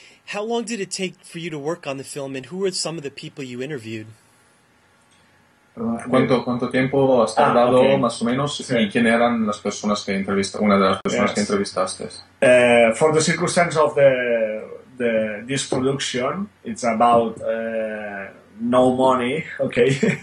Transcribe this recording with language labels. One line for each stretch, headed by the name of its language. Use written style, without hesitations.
English: How long did it take for you to work on the film, and who were some of the people you interviewed?
Spanish: ¿Cuánto tiempo has tardado, más o menos, sí. y quién eran las personas que entrevistaste, una de las personas que entrevistaste?
English: For the circumstance of the this production, it's about no money, okay?